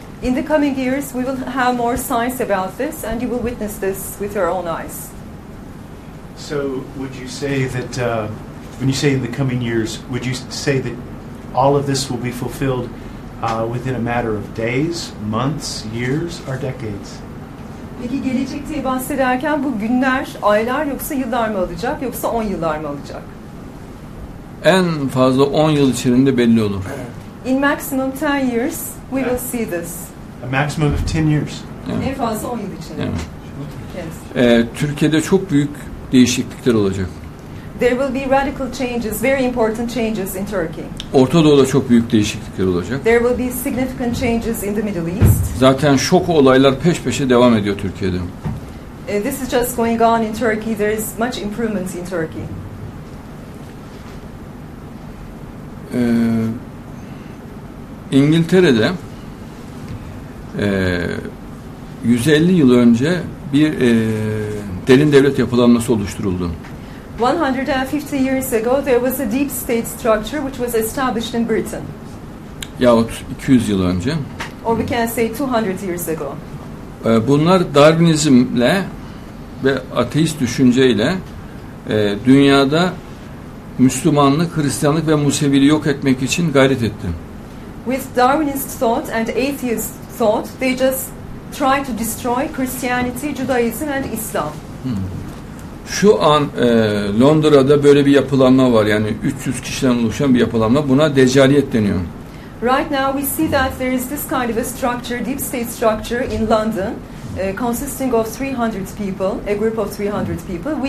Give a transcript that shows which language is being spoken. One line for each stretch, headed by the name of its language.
English: In the coming years, we will have more signs about this and you will witness this with your own eyes. So, would you say that when you say in the coming years, would you say that all of this will be fulfilled within a matter of days, months, years, or decades?
Turkish: Peki gelecekte bahsederken bu günler, aylar yoksa yıllar mı olacak yoksa 10 yıllar mı olacak? En fazla 10 yıl içerisinde belli olur.
English: In maximum 10 years we will see this. A maximum of 10 years. Yeah.
Turkish: En fazla 10 yıl içinde.
English: Yeah. Yes.
Turkish: Türkiye'de çok büyük değişiklikler olacak.
English: There will be radical changes, very important changes in Turkey.
Turkish: Orta Doğu'da çok büyük değişiklikler olacak.
English: There will be significant changes in the Middle East.
Turkish: Zaten şok olaylar peş peşe devam ediyor Türkiye'de.
English: This is just going on in Turkey. There is much improvements in Turkey.
Turkish: İngiltere'de 150 yıl önce bir derin devlet yapılanması oluşturuldu.
English: 150 years ago there was a deep state structure which was established in Britain.
Turkish: Yahut 200 yıl önce.
English: Or we can say 200 years ago.
Turkish: Bunlar Darwinizmle ve ateist düşünceyle dünyada Müslümanlık, Hristiyanlık ve Museviliği yok etmek için gayret etti.
English: With Darwinist thought and atheist thought, they just try to destroy Christianity, Judaism and Islam.
Turkish: Şu an Londra'da böyle bir yapılanma var. Yani 300 kişiden oluşan bir yapılanma. Buna deccaliyet deniyor.
English: Right now we see that there is this kind of a structure, deep state structure in London, consisting of 300 people, a group of 300 people.